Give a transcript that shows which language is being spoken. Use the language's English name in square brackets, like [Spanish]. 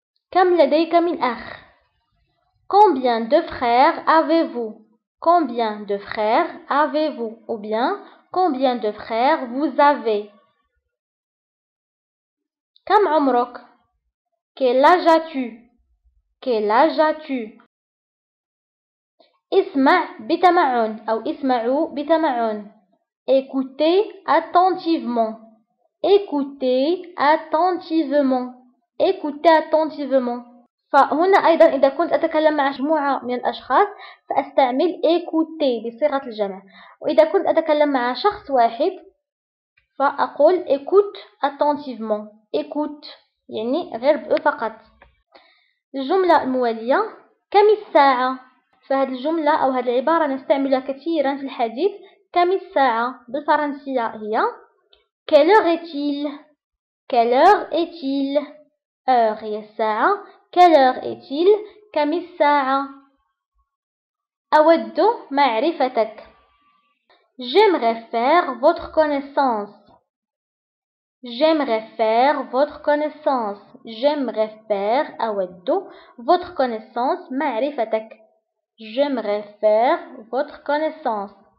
[Arabic] كم لديك من أخ؟ [French] Combien de frères avez-vous؟ Combien de frères avez-vous؟ [Arabic] أو [French] bien combien de frères vous avez؟ [Arabic] كم عمرك؟ [French] Quel âge as-tu؟ Quel âge as-tu؟ [Arabic] اسمع بتمعن أو اسمعوا بتمعن. [French] Écoutez attentivement. Écoutez attentivement. Écoutez attentivement. [Arabic] فهنا أيضا إذا كنت أتكلم مع مجموعة من الأشخاص فأستعمل écouter بصيغة الجمع. وإذا كنت أتكلم مع شخص واحد فأقول [French] écoute attentivement. [Arabic] Écoute يعني غرب فقط. الجملة الموالية كم الساعة؟ فهذه الجملة أو هذه العبارة نستعملها كثيرا في الحديث. كم الساعة بالفرنسية هي [French] quelle heure est-il؟ quelle heure est-il؟ heure [Arabic] هي الساعة. [French] quelle heure est-il؟ [Arabic] كم الساعة؟ أود معرفتك. [French] J'aimerais faire votre connaissance. J'aimerais faire votre connaissance. J'aimerais faire [Arabic] awaddu [French] votre connaissance [Arabic] ma'rifatak. [French] J'aimerais faire votre connaissance.